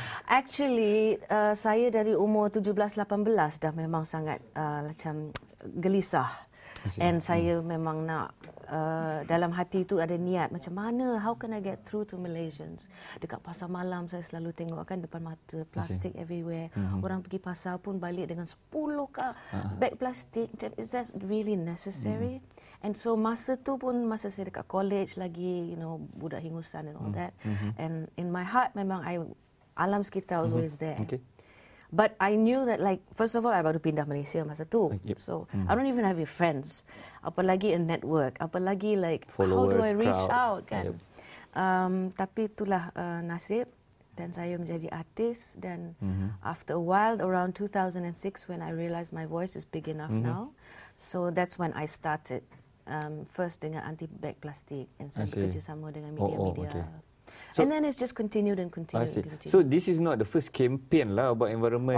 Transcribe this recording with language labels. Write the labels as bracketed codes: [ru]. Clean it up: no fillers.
[ms] Actually, saya dari umur 17-18 dah memang sangat macam gelisah. And saya memang nak dalam hati itu ada niat macam mana, [en] how can I get through to Malaysians? [ms] Dekat pasar malam saya selalu tengok kan depan mata, plastik everywhere. Orang pergi pasar pun balik dengan 10 beg plastik. [en] Is that really necessary? And so [ms] masa tu pun masa saya dekat college lagi, [en] you know, [ms] budak hingusan [en] and all that. And in my heart [ms] memang alam sekitar [en] was always there. Okay. But I knew that, like, first of all, I [ms] baru pindah Malaysia masa tu. [en] So I don't even have any friends. Apalagi a network. Apalagi, like, followers, how do I reach crowd. [ms] Out, kan? Tapi itulah nasib. Dan saya menjadi artis. [en] Dan after a while, around 2006, when I realized my voice is big enough now. So that's when I started. First dengan anti-bag plastik. And [ms] saya bekerjasama dengan media-media. [en] So, and then it's just continued and continued and continued. So this is not the first campaign lah about environment.